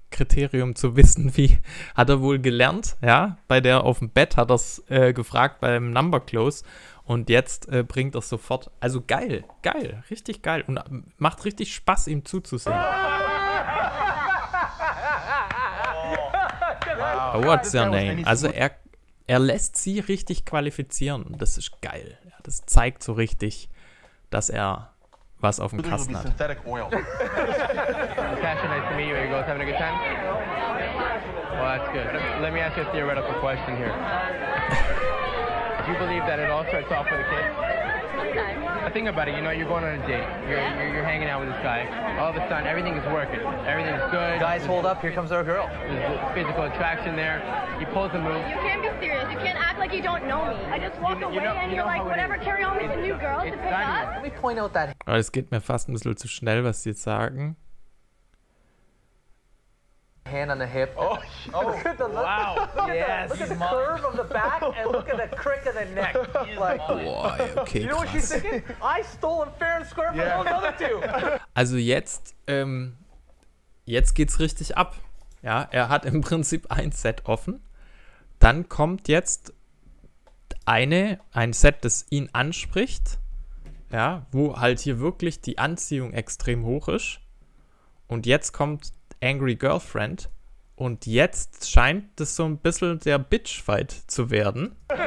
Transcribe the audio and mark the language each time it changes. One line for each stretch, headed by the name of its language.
German: Kriterium zu wissen, wie hat er wohl gelernt, ja, bei der auf dem Bett hat er es gefragt beim Number Close und jetzt bringt er es sofort, also geil, geil, richtig geil und macht richtig Spaß, ihm zuzusehen.
English: Oh, wow. What's your name?
German: Also er lässt sie richtig qualifizieren, das ist geil, das zeigt so richtig, dass er was auf dem Kasten hat.
English: Synthetic oil. Natasha, nice to meet you. Are you guys having a good time? Well, that's good. Let me ask you a theoretical question here. Do you believe that it all starts off with a kiss? Sometimes. Think about it. You know, you're going on a date. You're hanging out with this guy. All of a sudden, everything is working. Everything's good. Guys, hold up. Here comes our girl. There's physical attraction there. He pulls the move. You can't be serious. You can't act like you don't know me. I just walk away and you're like, whatever, carry on with the new girl to pick up. Let me point out that.
German: Aber es geht mir fast ein bisschen zu schnell, was sie jetzt sagen.
English: Hand on the hip. Oh, the look, wow. Look yes. At the, look at the curve of the back and look at the crick of the neck. Like, boy, okay, you know What she's thinking? I stole him fair and square from all the other two.
German: Also jetzt, jetzt geht's richtig ab. Ja, er hat im Prinzip ein Set offen. Dann kommt jetzt ein Set, das ihn anspricht. Ja, wo halt hier wirklich die Anziehung extrem hoch ist. Und jetzt kommt Angry Girlfriend. Und jetzt scheint das so ein bisschen der Bitchfight zu werden.